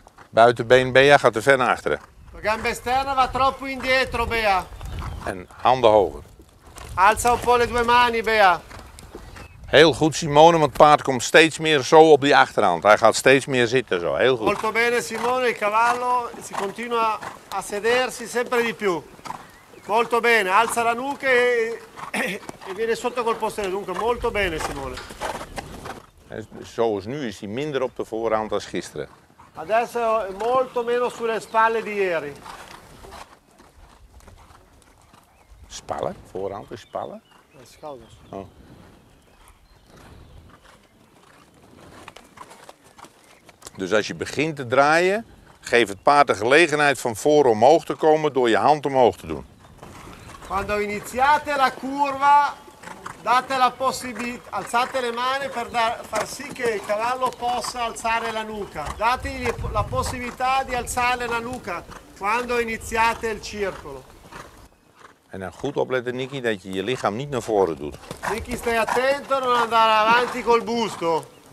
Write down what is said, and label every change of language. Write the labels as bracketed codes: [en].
[nl] Buitenbeen Bea gaat te ver naar achteren. [it] La gamba esterna va troppo indietro, Bea. [nl] En handen hoger. [it] Alza un po' le due mani, Bea. [nl] Heel goed, Simone, want het paard komt steeds meer zo op die achterhand. Hij gaat steeds meer zitten zo, heel goed. [it] Molto bene, Simone, il cavallo si continua a sedersi sempre di più. Molto bene, alza la nuca e viene sotto col posteriore, dunque molto bene Simone. [nl] Zoals nu is hij minder op de voorhand als gisteren. [it] Adesso è molto meno sulle spalle di ieri. [nl] Spalle? Voorhand is spalle? Schouders. Oh. Dus als je begint te draaien, geef het paard de gelegenheid van voor omhoog te komen door je hand omhoog te doen. [it] Quando iniziate la curva, date la possibilità, alzate le mani per far sì che il cavallo possa alzare la nuca. Dategli la possibilità di alzare la nuca quando iniziate il circolo. [nl] En dan goed opletten, Nicky, dat je je lichaam niet naar voren doet. [it] Nicky, stai attento a non andare avanti col busto.